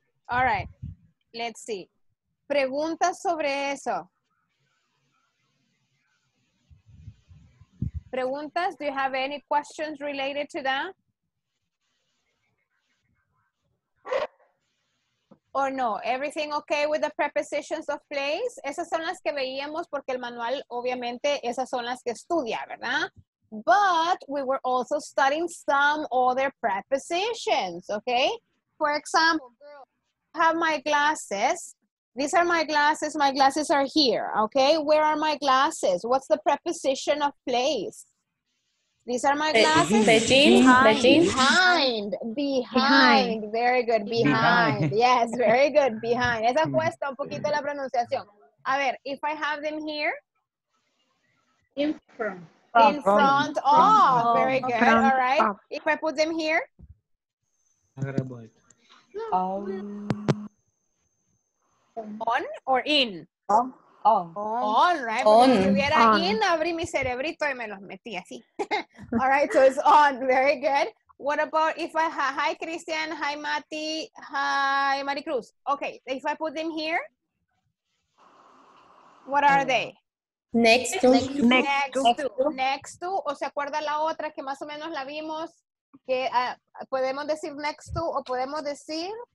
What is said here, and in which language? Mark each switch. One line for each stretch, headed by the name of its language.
English: All right, let's see.
Spanish: Preguntas sobre eso.
English: Preguntas, do you have any questions related to that? Or no, everything okay with the prepositions of place?
Spanish: Esas son las que veíamos porque el manual, obviamente, esas son las que estudia, ¿verdad?
English: But we were also studying some other prepositions, okay? For example, have my glasses. These are my glasses. My glasses are here. Okay. Where are my glasses? What's the preposition of place? These are my glasses. Behind. Very good. Behind. Yes. Very good. Behind.
Spanish: Esa cuesta un poquito la pronunciación. A ver,
English: if I have them here. In front. Very good. Front. All right. Up. If I put them here. On or in? On. Right? On, right?
Spanish: Si hubiera in, abrí mi cerebrito y me los metí así.
English: All right, so it's on. Very good. What about if I have, hi, Christian. Hi, Mati. Hi, Maricruz. Okay, if I put them here, what are they? Next to.
Spanish: O se acuerda la otra que más o menos la vimos, que podemos decir next to o podemos decir...